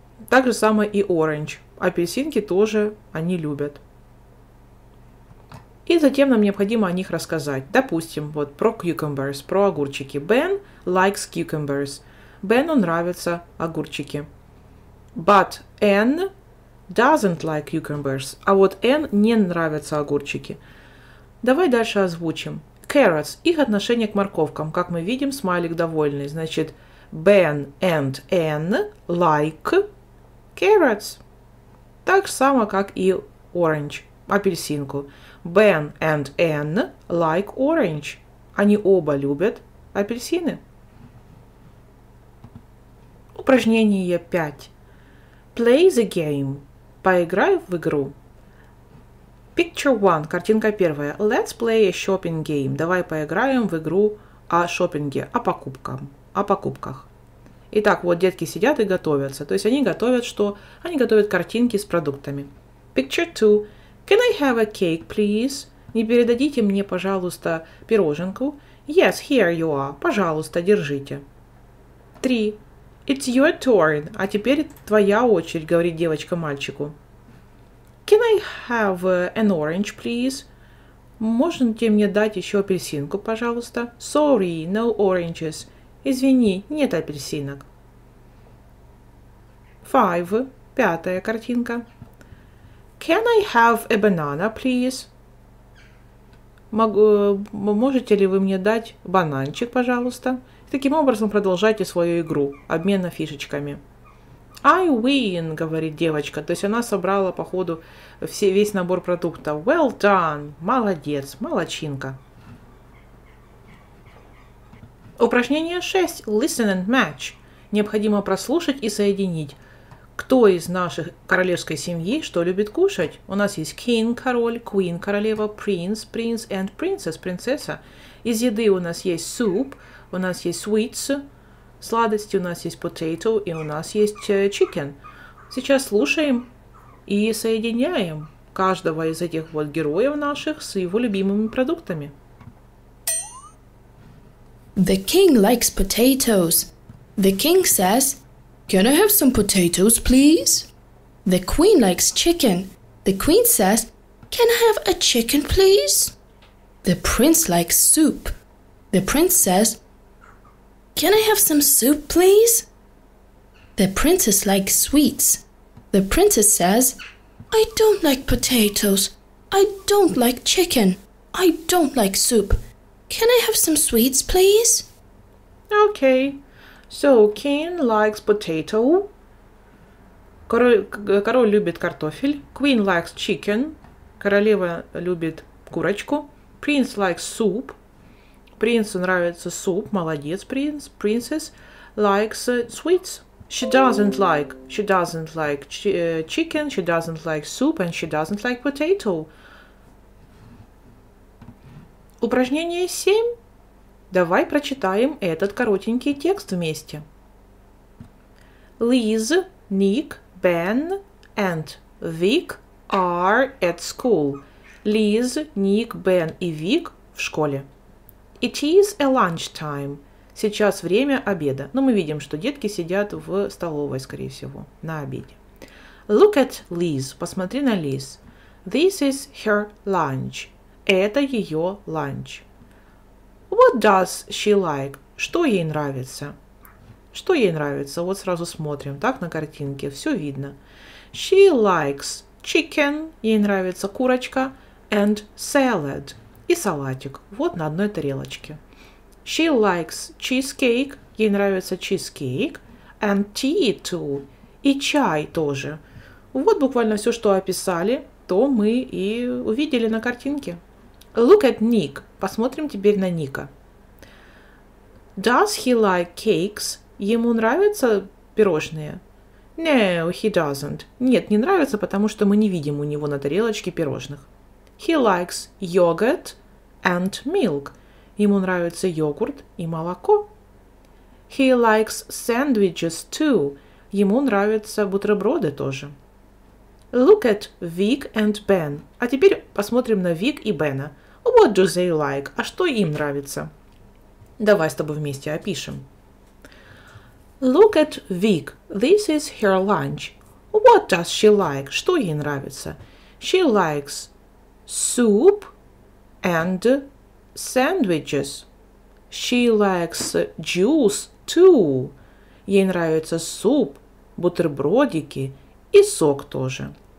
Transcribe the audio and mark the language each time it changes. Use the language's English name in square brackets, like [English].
[Russian] Так же самое и orange. Апельсинки тоже они любят. И затем нам необходимо о них рассказать. Допустим, вот про cucumbers, про огурчики. [English] Ben likes cucumbers. [Russian] Бену нравятся огурчики. [English] But Anne doesn't like cucumbers. [Russian] А вот Anne не нравятся огурчики. Давай дальше озвучим. Carrots. Их отношение к морковкам. Как мы видим, смайлик довольный. Значит, [English] Ben and Anne like carrots. [Russian] Так само, как и orange. Апельсинку. [English] Ben and Anne like orange. [Russian] Они оба любят апельсины. Упражнение [English] 5. Play the game. [Russian] Поиграй в игру. [English] Picture 1. [Russian] Картинка первая. [English] Let's play a shopping game. [Russian] Давай поиграем в игру о шопинге, о покупках. Итак, вот детки сидят и готовятся. То есть они готовят что? Они готовят картинки с продуктами. [English] Picture 2. Can I have a cake, please? [Russian] Не передадите мне, пожалуйста, пироженку? [English] Yes, here you are. [Russian] Пожалуйста, держите. [English] 3. It's your turn. [Russian] А теперь твоя очередь, говорит девочка мальчику. [English] Can I have an orange, please? [Russian] Можете мне дать еще апельсинку, пожалуйста? [English] Sorry, no oranges. [Russian] Извини, нет апельсинок. 5. Пятая картинка. [English] Can I have a banana, please? [Russian] Можете ли вы мне дать бананчик, пожалуйста? Таким образом продолжайте свою игру, обмена фишечками. [English] I win, [Russian] говорит девочка. То есть она собрала, походу, весь набор продуктов. [English] Well done, [Russian] молодец, молодчинка. Упражнение [English] 6. Listen and match. [Russian] Необходимо прослушать и соединить. Кто из наших королевской семьи что любит кушать? У нас есть king, король, queen, королева, prince, prince and princess, принцесса. Из еды у нас есть soup, у нас есть sweets, сладости, у нас есть potato и у нас есть chicken. Сейчас слушаем и соединяем каждого из этих вот героев наших с его любимыми продуктами. [English] The king likes potatoes. The king says... Can I have some potatoes, please? The queen likes chicken. The queen says, Can I have a chicken, please? The prince likes soup. The prince says, Can I have some soup, please? The princess likes sweets. The princess says, I don't like potatoes. I don't like chicken. I don't like soup. Can I have some sweets, please? Okay. So, king likes potato. [Russian] Король любит картофель. [English] Queen likes chicken. [Russian] Королева любит курочку. [English] Prince likes soup. [Russian] Принцу нравится суп. Молодец, принц. [English] Princess likes sweets. She doesn't like chicken, she doesn't like soup, and she doesn't like potato. [Russian] Упражнение 7. Давай прочитаем этот коротенький текст вместе. [English] Liz, Nick, Ben, and Vic are at school. [Russian] Liz, Nick, Ben и Vic в школе. [English] It is a lunch time. [Russian] Сейчас время обеда. Но мы видим, что детки сидят в столовой, скорее всего, на обеде. [English] Look at Liz. [Russian] Посмотри на Liz. [English] This is her lunch. [Russian] Это ее ланч. [English] What does she like? [Russian] Что ей нравится? Что ей нравится? Вот сразу смотрим. Так, на картинке. Все видно. [English] She likes chicken. [Russian] Ей нравится курочка. [English] And salad. [Russian] И салатик. Вот на одной тарелочке. [English] She likes cheesecake. [Russian] Ей нравится cheesecake. [English] And tea too. [Russian] И чай тоже. Вот буквально все, что описали, то мы и увидели на картинке. [English] Look at Nick. [Russian] Посмотрим теперь на Ника. [English] Does he like cakes? [Russian] Ему нравятся пирожные? [English] No, he doesn't. [Russian] Нет, не нравится, потому что мы не видим у него на тарелочке пирожных. [English] He likes yogurt and milk. [Russian] Ему нравится йогурт и молоко. [English] He likes sandwiches too. [Russian] Ему нравятся бутерброды тоже. [English] Look at Vic and Ben. [Russian] А теперь посмотрим на Вик и Бена. [English] What do they like? [Russian] А что им нравится? Давай с тобой вместе опишем. [English] Look at Vic. This is her lunch. What does she like? [Russian] Что ей нравится? [English] She likes soup and sandwiches. She likes juice too. [Russian] Ей нравится суп, бутербродики и сок тоже.